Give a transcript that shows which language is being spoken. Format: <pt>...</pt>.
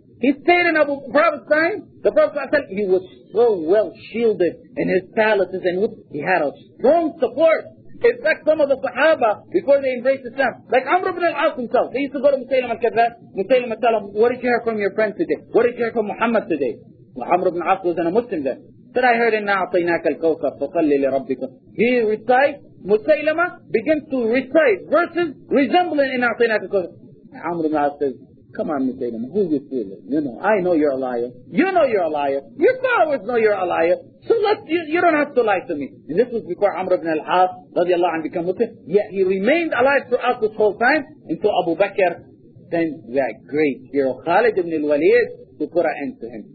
<en>He stayed in Abu Prophet's time. The Prophet ﷺ, he was so well shielded in his palaces and he had a strong support. In fact, some of the Sahaba, before they embraced Islam, like Amr ibn al-As himself, they used to go to Musaylam al-Kazzab, Musaylam al-Kazzab, what did you hear from your friend today? What did you hear from Muhammad today? Well, Amr ibn al-As wasn't a Muslim then.</en> <ar>Said, I heard, إِنَّا عَطَيْنَاكَ الْكَوْثَرَ فَصَلِّ لِرَبِّكَ.</ar> <en>He recites, Musaylamah begins to recite verses resembling</en> <ar>إِنَّا عَطَيْنَاكَ الْكَوْثَرَ.</ar> <en>Amr ibn al-As says, come on, Musaylamah, who you fooling? You know, I know you're a liar. You know you're a liar. Your followers know you're a liar. So you don't have to lie to me. And this was before Amr ibn al-As, radiallahu anhu, became Muslim. Yet he remained alive throughout this whole time until Abu Bakr sent that great hero, Khalid ibn al-Walid, to put an end to him.</en>